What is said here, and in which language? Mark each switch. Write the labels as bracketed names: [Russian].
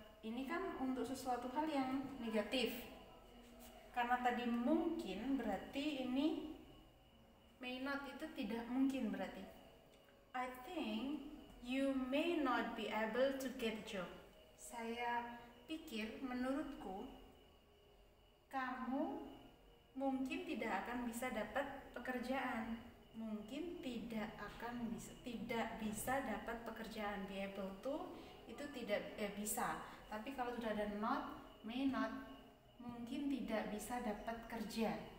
[Indonesian] Ini kan untuk sesuatu hal yang negatif. Karena tadi mungkin, berarti ini may not itu tidak mungkin berarti. [English] I think you may not be able to get a job. [Indonesian] Saya pikir, menurutku, kamu mungkin tidak akan bisa dapat pekerjaan. Mungkin tidak akan bisa, tidak bisa dapat pekerjaan. [English] Be able to, [Indonesian] itu tidak bisa. Tapi kalau sudah ada not, may not, mungkin tidak bisa dapat kerja.